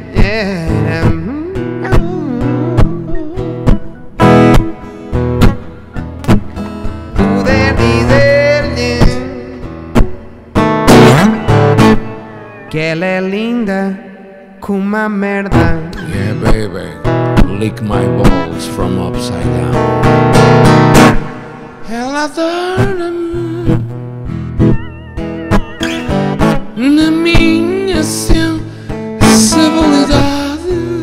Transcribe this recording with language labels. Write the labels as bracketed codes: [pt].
[pt] Poder dizer-lhe que ela é linda com uma merda. [en] Yeah, baby. Lick my balls from upside down. [pt] Ela adora-me na minha sensibilidade.